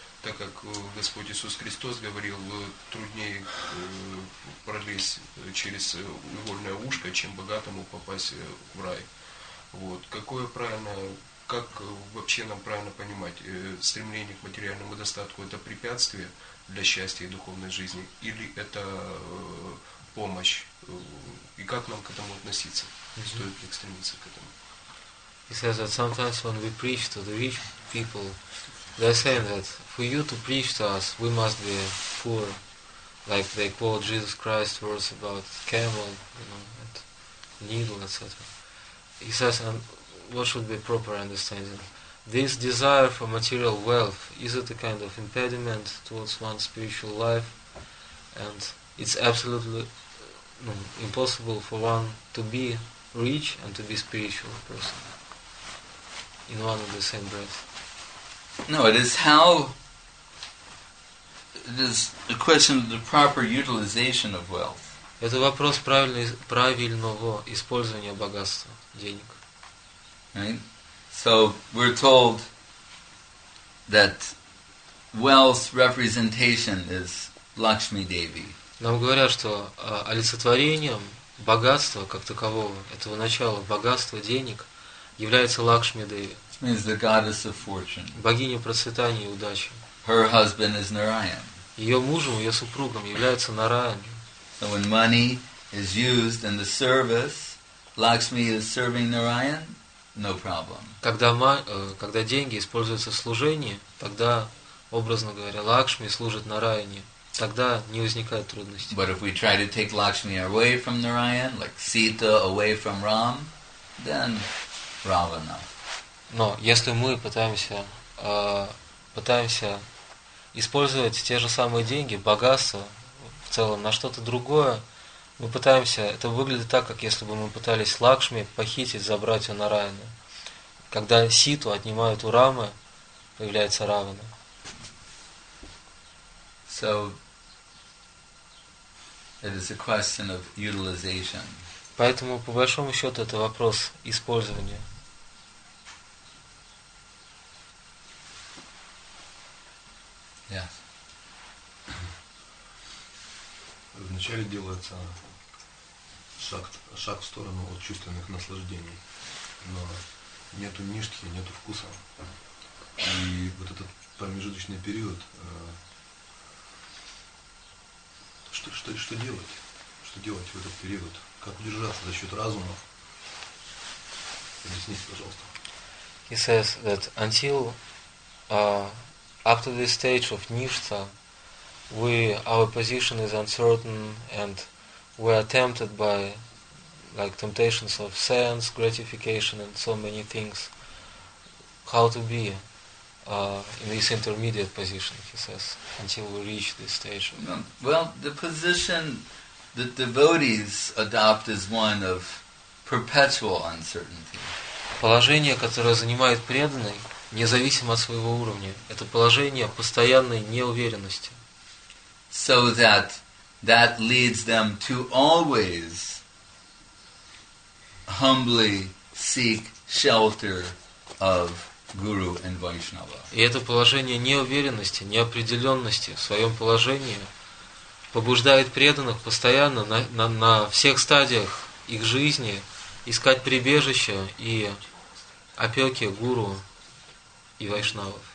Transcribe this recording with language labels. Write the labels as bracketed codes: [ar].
[ru] Так как Господь Иисус Христос говорил, труднее пролезть через игольное ушко, чем богатому попасть в рай. Вот. Какое правильное... Как вообще нам правильно понимать, стремление к материальному достатку – это препятствие для счастья и духовной жизни, или это помощь? И как нам к этому относиться? Стоит ли стремиться к этому? [en] He says that sometimes when we preach to the rich people, they're saying that for you to preach to us, we must be poor. Like they quote Jesus Christ's words about camel, you know, and needle, etc. He says, and what should be proper understanding? This desire for material wealth, is it a kind of impediment towards one's spiritual life? And it's absolutely impossible for one to be rich and to be spiritual person in one and the same breath. No, it is how... It is a question of the proper utilization of wealth. [ru] Это вопрос правильного использования богатства, денег. [en] Right? So we're told that wealth representation is Lakshmi Devi. [ru] Нам говорят, что олицетворением богатства как такового, этого начала богатства денег, является Лакшми Деви. [en] It means the goddess of fortune. [ru] Богиня процветания и удачи. [en] Her husband is Narayan. [ru] Ее мужем, ее супругом является Нараян. [en] So when money is used in the service, Lakshmi is serving Narayan. No problem. [ru] Когда деньги используются в служении, тогда, образно говоря, Лакшми служит Нараяне. Тогда не возникает трудностей. [en] But if we try to take Lakshmi away from Narayan, like Sita away from Ram, then Ravana. [ru] Но если мы пытаемся использовать те же самые деньги, богатство в целом на что-то другое, мы пытаемся, это выглядит так, как если бы мы пытались Лакшми похитить, забрать у Нараяны. Когда Ситу отнимают у Рамы, появляется Равана. [en] So, it is a question of utilization. [ru] Поэтому, по большому счету, это вопрос использования. [en] Yes. [ru] Вначале делается шаг в сторону от чувственных наслаждений, но нету ништхи, нету вкуса. И вот этот промежуточный период, что делать? Что делать в этот период? Как удержаться за счет разума? Объясните, пожалуйста. [en] He says that until after this stage of ништха, our position is uncertain and we are tempted by like temptations of sense, gratification, and so many things. How to be in this intermediate position, he says, until we reach this stage? Well, the position that devotees adopt is one of perpetual uncertainty. [ru] Положение, которое занимает преданный, независимо от своего уровня, это положение постоянной неуверенности. [en] So that leads them to always humbly seek shelter of guru and Vaishnava. [ru] И это положение неуверенности, неопределенности в своем положении побуждает преданных постоянно на всех стадиях их жизни искать прибежище и опеки гуру и вайшнавов.